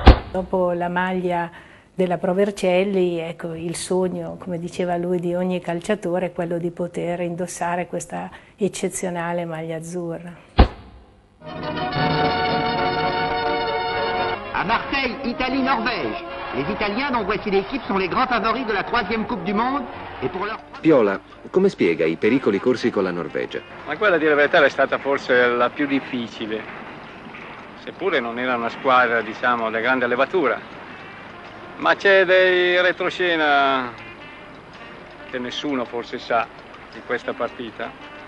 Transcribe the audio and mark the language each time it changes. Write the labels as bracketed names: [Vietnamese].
[Italian] Dopo la maglia della Pro Vercelli, ecco, il sogno, come diceva lui, di ogni calciatore è quello di poter indossare questa eccezionale maglia azzurra. [French] À Marseille, Italie, Norvège. Les Italiens, dont voici l'équipe, sont les grands favoris de la troisième Coupe du Monde. [Italian] Piola, come spiega i pericoli corsi con la Norvegia? Ma quella, a dire la verità, è stata forse la più difficile. Seppure non era una squadra, diciamo, da grande levatura. Ma c'è dei retroscena che nessuno forse sa di questa partita.